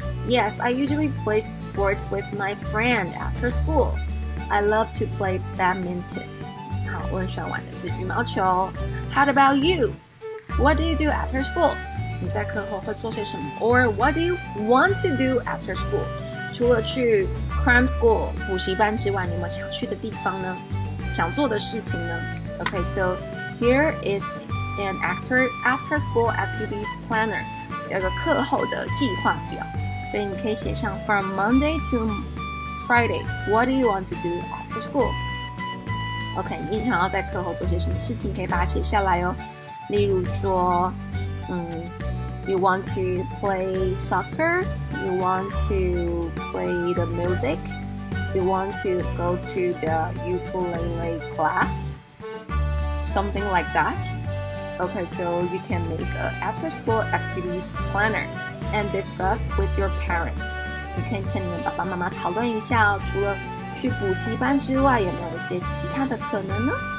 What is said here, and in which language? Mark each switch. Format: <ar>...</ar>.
<en>Yes, I usually play sports with my friend after school. I love to play badminton.</en> <zh>好，我很喜欢玩的是羽毛球。</zh> <en>How about you? What do you do after school?</en> <zh>你在课后会做些什么？</zh> <en>Or what do you want to do after school?</en> <zh>除了去</zh> <en>cram school</en> <zh>补习班之外，你有没有想去的地方呢？想做的事情呢？</zh> <en>Okay, so here is an after school activities planner.</en> <zh>有个课后的计划表，所以你可以写上</zh> <en>from Monday to Friday, what do you want to do after school?</en> <zh>OK， 你想要在课后做些什么事情，可以把它写下来哦。例如说，</zh> <en>You want to play soccer? You want to play the music? You want to go to the ukulele class? Something like that. Okay, so you can make an after school activities planner and discuss with your parents.</en> <zh>你可以跟你的爸爸妈妈讨论一下、哦、除了去补习班之外，有没有一些其他的可能呢？</zh>